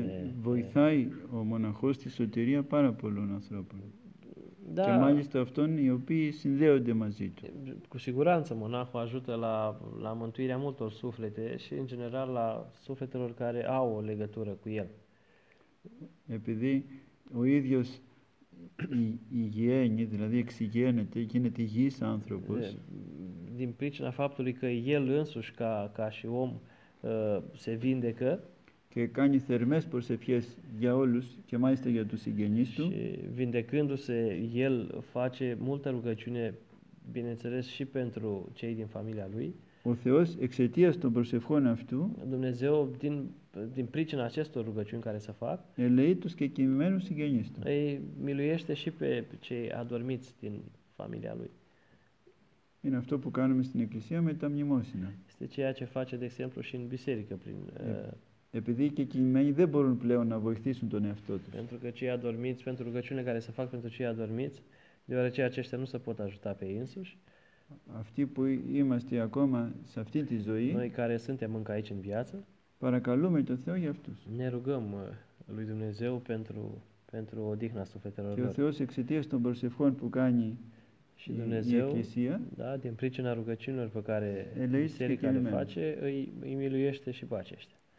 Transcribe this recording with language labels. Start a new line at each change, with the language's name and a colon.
Greek: Ναι, βοηθάει ο μοναχός τη σωτηρία πάρα πολλών ανθρώπων. Da. Και μάλιστα αυτών οι οποίοι συνδέονται μαζί του.
Romanian: Cu siguranță monahul ajută la mântuirea multor suflete și în general la sufletelor care au o legătură cu el.
Greek: Επειδή ο ίδιος υγιένει, δηλαδή εξυγένεται, γίνεται υγιής άνθρωπος.
Romanian: Din pricina faptului că el însuși ca și om se vindecă.
Greek: Και κάνει θερμές προσευχές για όλους και μάλιστα για τους συγγενείς του.
Romanian: Vindecându-se, el face multă rugăciune, bineînțeles, și pentru cei din familia lui.
Greek: Ο Θεός, εξαιτίας των προσευχών αυτού,
Romanian: Dumnezeu, din pricina acestor rugăciuni care se fac,
Greek: ελεεί τους και κοιμημένους συγγενείς του.
Romanian: Îi miluiește și pe cei adormiți din familia lui.
Greek: Είναι αυτό που κάνουμε στην Εκκλησία με τα μνημόσυνα.
Romanian: Este ceea ce face, de exemplu, și în biserică prin...
Greek: Επειδή και οι κοιμημένοι δεν μπορούν πλέον να βοηθήσουν τον εαυτό τους.
Romanian: Pentru că cei adormiți, pentru rugăciunea care se fac pentru cei adormiți, deoarece aceștia nu se pot ajuta pe înșiși.
Greek: Αυτοί που είμαστε ακόμα σε αυτή τη ζωή,
Romanian: noi care suntem încă aici în viață,
Greek: παρακαλούμε τον Θεό για αυτούς.
Romanian: Ne rugăm lui Dumnezeu pentru odihna sufletelor lor.
Greek: Και ο Θεός εξαιτίας των προσευχών που κάνει
Romanian: și Dumnezeu, din pricina rugăciunilor pe care biserica le face, îi miluiește și pe aceștia.